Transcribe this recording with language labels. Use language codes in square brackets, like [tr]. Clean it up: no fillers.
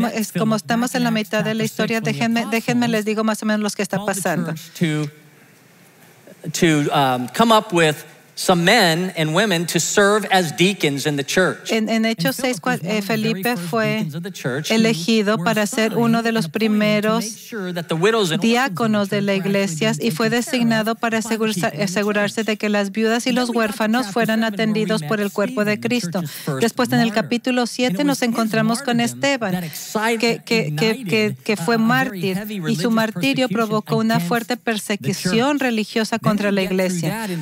[es] es como estamos en la mitad de la historia, déjenme les digo más o menos lo que está pasando. [en] To come up with some men and women to serve as deacons in the church. [es] En Hechos 6, Felipe fue elegido para ser uno de los primeros diáconos de la iglesia y fue designado para asegurarse de que las viudas y los huérfanos fueran atendidos por el cuerpo de Cristo. Después, en el capítulo 7, nos encontramos con Esteban, que fue mártir, y su martirio provocó una fuerte persecución religiosa contra la iglesia.